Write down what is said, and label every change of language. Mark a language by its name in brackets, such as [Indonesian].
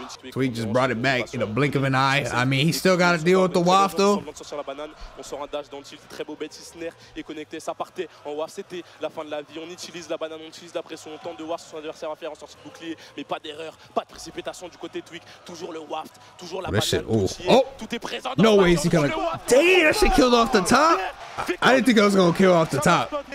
[English] Tweak just brought it back in a blink of an eye. I mean, he still got to deal with the waft, though. [French] Sur la banane, on sort un dash dans le tilt, très beau bête, snare et connecté, ça partait en waft, c'était la fin de la vie. On utilise la banane, on utilise la pression, on tente de waft sur son adversaire à faire en sortie de bouclier, mais pas d'erreur, pas de précipitation du côté Tweak, toujours le waft, toujours la banane, tout est présent. [English] No way, is he gonna... Damn, that shit killed off the top. I didn't think I was gonna kill off the top.